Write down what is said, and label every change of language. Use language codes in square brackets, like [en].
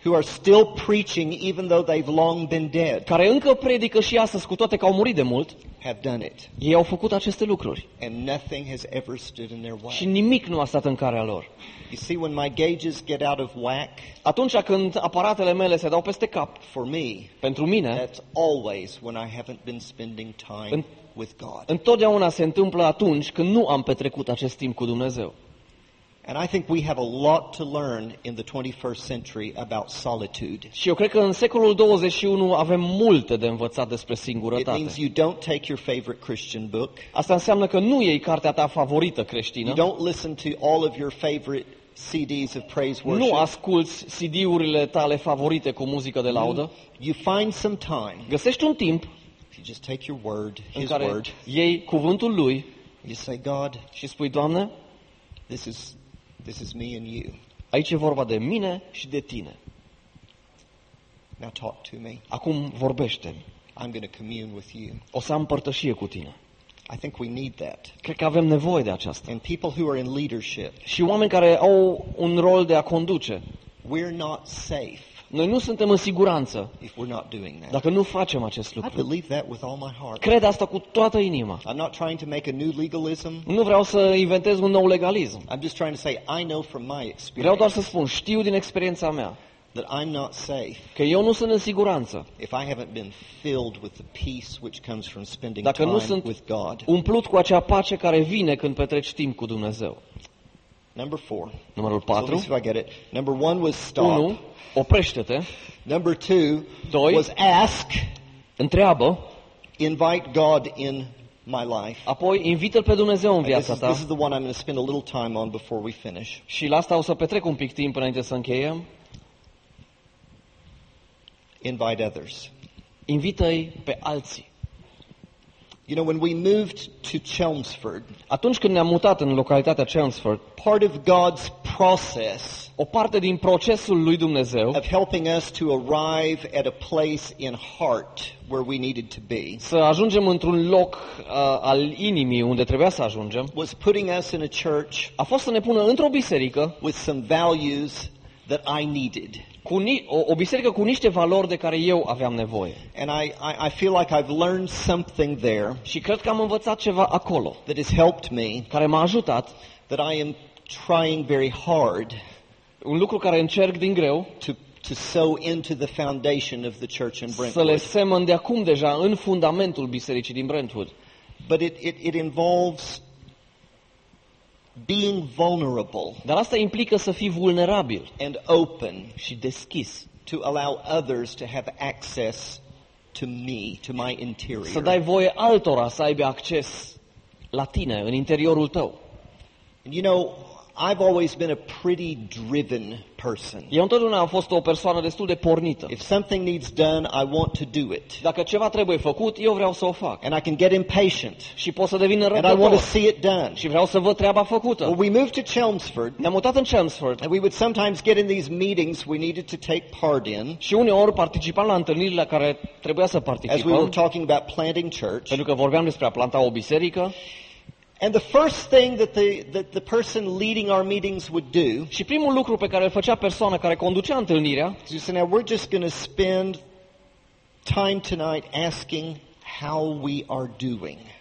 [en] who are still preaching even though they've long been dead. [ro] Care încă predică și astăzi, cu toate că au murit de mult. [en] Have done it. [ro] Ei au făcut aceste lucruri. [en] And nothing has ever stood in their way. [ro] Și nimic nu a stat în calea lor. [en] You see, when my gauges get out of whack, [ro] atunci când aparatele mele se dau peste cap, [en] for me, [ro] pentru mine, [en] that's always when I haven't been spending time with God. [ro] Întotdeauna se întâmplă atunci când nu am petrecut acest timp cu Dumnezeu. [en] And I think we have a lot to learn in the 21st century about solitude. [ro] Și eu cred că în secolul 21 avem multe de învățat despre singurătate. [en] It means you don't take your favorite Christian book. [ro] Asta înseamnă că nu iei cartea ta favorită creștină. [en] You don't listen to all of your favorite CDs of praise worship. [ro] Nu asculți CD-urile tale favorite cu muzică de laudă. [en] You find some time. [ro] Găsești un timp. [en] You just take your word, [ro] în [en] his [ro] care [en] word. [ro] Iei cuvântul lui. [en] You say, God, [ro] și spui, Doamne, [en] this is me and you. [ro] Aici e vorba de mine și de tine. [en] Now talk to me. [ro] Acum vorbește-mi. [en] I'm going to commune with you. [ro] O să am părtășie cu tine. [en] I think we need that. [ro] Cred că avem nevoie de aceasta. [en] And people who are in leadership. [ro] Și oameni care au un rol de a conduce. [en] We're not safe. [ro] Noi nu suntem în siguranță [en] if we're not doing that. [ro] Dacă nu facem acest lucru. [en] I believe that with all my heart. [ro] Cred asta cu toată inima. [en] I'm not trying to make a new legalism. [ro] Nu vreau să inventez un nou legalism. [en] I'm just trying to say I know from my experience. [ro] Vreau doar să spun, știu din experiența mea [en] that I'm not safe. [ro] Că eu nu sunt în siguranță. [en] If I haven't been filled with the peace which comes from spending time with God. [ro] Dacă nu sunt umplut cu acea pace care vine când petreci timp cu Dumnezeu. [en] Number 4. [ro] Numărul 4. [en] So I get it. Number 1 was stop. [ro] 1. Oprește-te. [en] Number 2. [ro] 2. [en] Was ask. [ro] Întreabă. [en] Invite God in my life. [ro] Apoi invită-l pe Dumnezeu în viața ta. [en] This is the one I'm going to spend a little time on before we finish. [ro] Și la asta o să petrec un pic timp înainte să încheiem. [en] Invite others. [ro] Invită-i pe alții. [en] You know, when we moved to Chelmsford, [ro] atunci când ne-am mutat în localitatea Chelmsford, [en] part of God's process, [ro] o parte din procesul lui Dumnezeu, [en] of helping us to arrive at a place in heart where we needed to be, [ro] să ajungem într-un loc al inimii unde trebuia să ajungem, [en] was putting us in a church, [ro] a fost să ne pună într-o biserică, [en] with some values that I needed. [ro] O biserică cu niște valori de care eu aveam nevoie. [en] And I feel like I've learned something there. [ro] Și cred că am învățat ceva acolo. [en] That has helped me. [ro] Care m-a ajutat. [en] That I am trying very hard. [ro] Un lucru care încerc din greu. [en] To sow into the foundation of the church in Brentwood. [ro] Să le semăn de acum deja în fundamentul bisericii din Brentwood. [en] But it involves being vulnerable. [ro] Dar asta implică să fii vulnerabil. [en] And open. [ro] Și deschis. [en] To allow others to have access to me, to my interior. [ro] Să dai voie altora să aibă acces la tine, în interiorul tău. [en] And you know, I've always been a pretty driven person. [ro] Eu întotdeauna am fost o persoană destul de pornită. [en] If something needs done, I want to do it. [ro] Dacă ceva trebuie făcut, eu vreau să o fac. [en] And I can get impatient. [ro] Și pot să devin răbdător. [en] And I want to see it done. [ro] Și vreau să văd treaba făcută. [en] Well, we moved to Chelmsford. [ro] Ne-am mutat în Chelmsford. [en] And we would sometimes get in these meetings we needed to take part in. [ro] Și uneori participam la întâlnirile la care trebuia să participăm. [en] As we were talking about planting church. [ro] Pentru că vorbeam despre a planta o biserică. [en] And the first thing that the person leading our meetings would do, [ro] și primul lucru pe care îl făcea persoana care conducea întâlnirea, [en] is now we're just going to spend time tonight asking how we are doing.